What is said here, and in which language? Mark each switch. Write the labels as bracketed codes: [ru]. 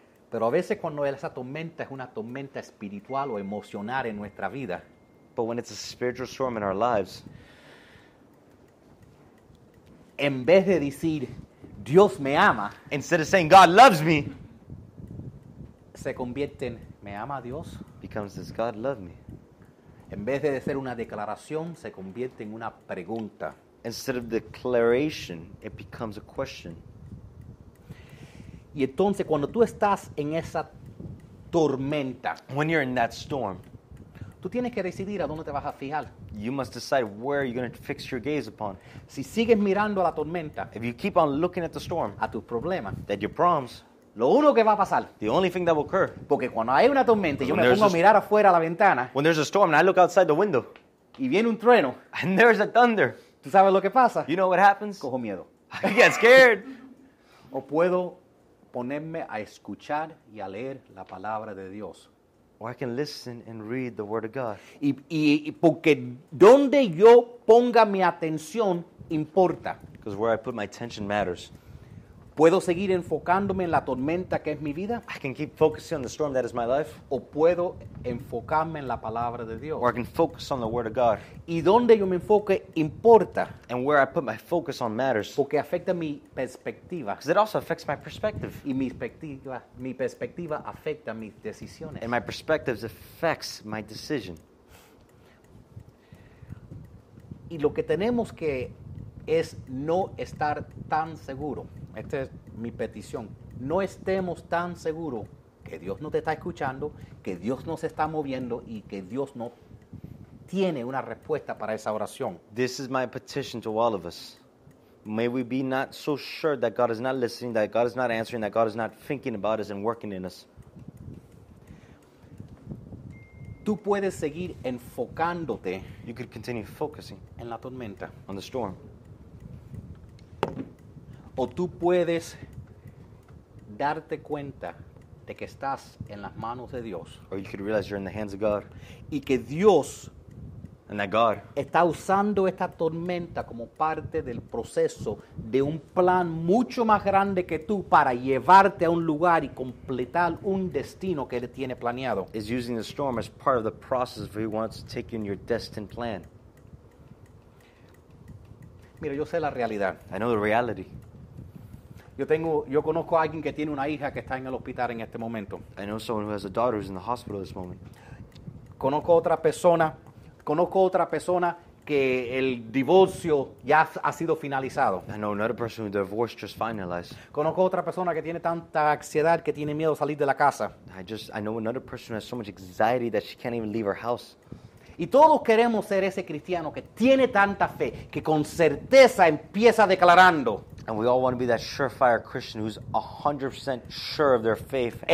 [es] Pero a veces cuando esa tormenta es una tormenta espiritual o emocional en nuestra vida. [en] But when it's a spiritual storm in our lives. [es] En vez de decir, Dios me ama. [en] Instead of saying, God loves me. [es] Se convierte en, me ama Dios. [en] Becomes, does God love me? [es] En vez de ser una declaración, se convierte en una pregunta. [en] Instead of declaration, it becomes a question. [es] Y entonces cuando tú estás en esa tormenta, [en] when you're in that storm, [es] tú tienes que decidir a dónde te vas a fijar. [en] You must decide where you're going to fix your gaze upon. [es] Si sigues mirando a la tormenta, [en] if you keep on looking at the storm, [es] a tus problemas, [en] that your problems, [es] lo único que va a pasar, [en] the only thing that will occur, [es] porque cuando hay una tormenta y yo me pongo a mirar afuera a la ventana, [en] when there's a storm and I look outside the window, [es] y viene un trueno, [en] and there's a thunder, [es] tú sabes lo que pasa, [en] you know what happens, [es] cojo miedo, [en] I get scared, [es] o puedo ponerme a escuchar y a leer la palabra de Dios. [en] Or I can listen and read the word of God. [es] Y porque donde yo ponga mi atención importa. [en] Because where I put my attention matters. [es] Puedo seguir enfocándome en la tormenta que es mi vida. [en] I can keep focusing on the storm that is my life. [es] O puedo enfocarme en la palabra de Dios. [en] Or I can focus on the word of God. [es] Y donde yo me enfoque importa. [en] And where I put my focus on matters. [es] Porque afecta mi perspectiva. [en] Because it also affects my perspective. [es] Y mi perspectiva afecta mis decisiones. [en] And my perspective affects my decision. [es] Y lo que tenemos que es no estar tan seguro. Esta es mi petición. No estemos tan seguros que Dios no te está escuchando, que Dios no se está moviendo y que Dios no tiene una respuesta para esa oración. [en] This is my petition to all of us. May we be not so sure that God is not listening, that God is not answering, that God is not thinking about us and working in us. [es] Tú puedes seguir enfocándote. [en] You could continue focusing. [es] En la tormenta. [en] On the storm. [es] O tú puedes darte cuenta de que estás en las manos de Dios. [en] Or you could realize you're in the hands of God. [es] Y que Dios, [en] and that God, [es] está usando esta tormenta como parte del proceso de un plan mucho más grande que tú para llevarte a un lugar y completar un destino que Él tiene planeado. [en] Is using the storm as part of the process where He wants to take you in your destined plan. [es] Mira, yo sé la realidad. [en] I know the reality. [es] Yo conozco a alguien que tiene una hija que está en el hospital en este momento. [en] I know someone who has a daughter who's in the hospital this moment. [es] Conozco otra persona que el divorcio ya ha sido finalizado. [en] I know another person who divorced just finalized. [es] Conozco otra persona que tiene tanta ansiedad que tiene miedo salir de la casa. [en] I know another person who has so much anxiety that she can't even leave her house. [es] Y todos queremos ser ese cristiano que tiene tanta fe que con certeza empieza declarando. [en] And we all want to be that surefire Christian who's 100% sure of their faith.